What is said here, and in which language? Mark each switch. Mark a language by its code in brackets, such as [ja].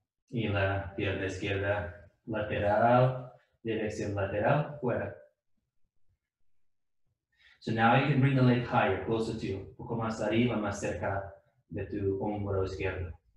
[es] Y la pierna izquierda lateral, dirección lateral, fuera. [en] So now you can bring the leg higher, closer to you. [es] Un poco más arriba, más cerca de tu hombro izquierdo.